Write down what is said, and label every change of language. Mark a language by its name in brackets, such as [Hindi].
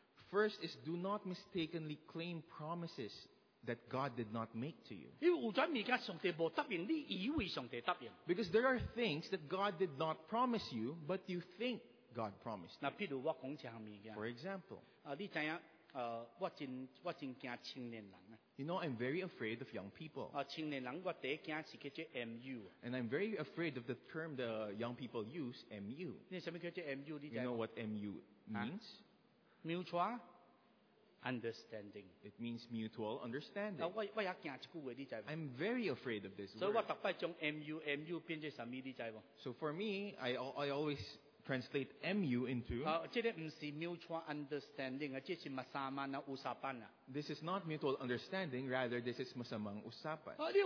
[English] first is, do not mistakenly claim promises that God did not make to you. [Chinese] 因为有些东西上帝没答应, [English] because there are things that God did not promise you, but you think God promised. [Chinese] 那譬如我说这些东西, [English] for example, [Chinese] 啊, 你知道, 我真怕青年人, [English] you know, I'm very afraid of young people. [Chinese] 啊, 青年人我第一怕是叫做 MU, [English] and I'm very afraid of the term the young people use, MU. [Chinese] 你什么叫做 MU, 你知道? [English] You know what MU means? 啊?Mutual understanding. It means mutual understanding. [Chinese] 啊, 我也怕一句话, 你知道吗? [English] I'm very afraid of this word. [Chinese] 所以我每次将 MU 变成什么, 你知道吗? [English] So for me, I always translate MU into, this is not mutual understanding, this is [Filipino] masamang usapan. [English] This is not mutual understanding, rather this is [Filipino] masamang usapan.